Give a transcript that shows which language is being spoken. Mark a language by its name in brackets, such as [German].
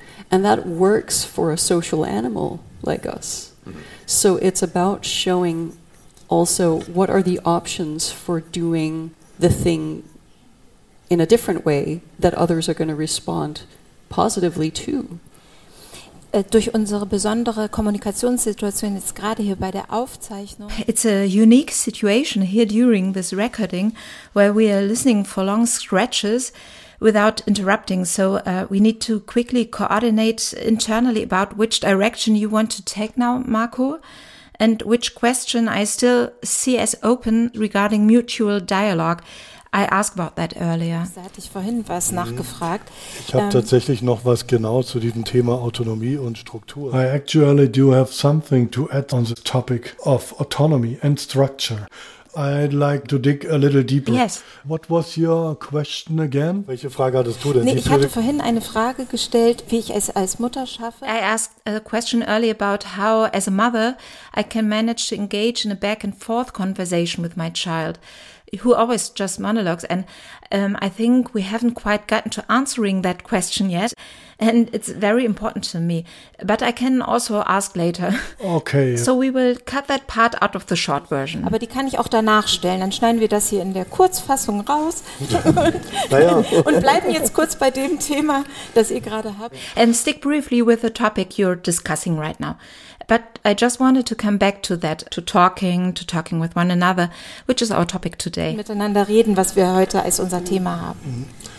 [English] And that works for a social animal like us. So it's about showing also what are the options for doing the thing in a different way that others are going to respond positively to. [German] Durch unsere besondere Kommunikationssituation jetzt gerade hier bei der Aufzeichnung. [English] It's a unique situation here during this recording, where we are listening for long stretches without interrupting. So we need to quickly coordinate internally about which direction you want to take now, Marco, and which question I still see as open regarding mutual dialogue. I asked about that earlier. [German] Da hatte ich vorhin was nachgefragt. Ich habe tatsächlich noch was genau zu diesem Thema Autonomie und Struktur. [English] I actually do have something to add on the topic of autonomy and structure. I'd like to dig a little deeper. Yes. What was your question again? [German] Welche Frage hattest du denn? Nee, ich hatte vorhin eine Frage gestellt, wie ich es als Mutter schaffe. [English] I asked a question earlier about how, as a mother, I can manage to engage in a back and forth conversation with my child, who always just monologues. And I think we haven't quite gotten to answering that question yet. And it's very important to me. But I can also ask later. Okay. So we will cut that part out of the short version. [German] Aber die kann ich auch danach stellen. Dann schneiden wir das hier in der Kurzfassung raus. Naja. Und bleiben jetzt kurz bei dem Thema, das ihr gerade habt. [English] And stick briefly with the topic you're discussing right now. But I just wanted to come back to that, to talking with one another, which is our topic today. [German] Miteinander reden, was wir heute als unser Thema haben.